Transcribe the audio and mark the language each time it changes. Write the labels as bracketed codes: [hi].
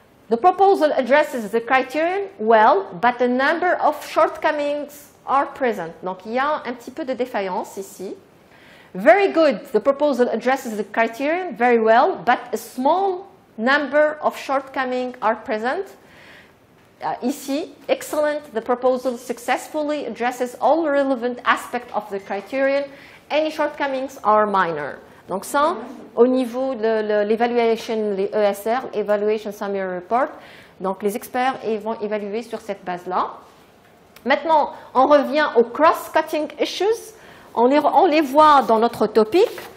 [en] The proposal addresses the criterion well, but a number of shortcomings are present. [fr] Donc, il y a un petit peu de défaillance ici. [en] Very good. The proposal addresses the criterion very well, but a small number of shortcomings are present. Ici, excellent. The proposal successfully addresses all relevant aspects of the criterion. Any shortcomings are minor. [fr] Donc ça, au niveau de l'évaluation, les ESR, Evaluation Summary Report, donc les experts vont évaluer sur cette base-là. Maintenant, on revient aux cross-cutting issues. On les voit dans notre topic.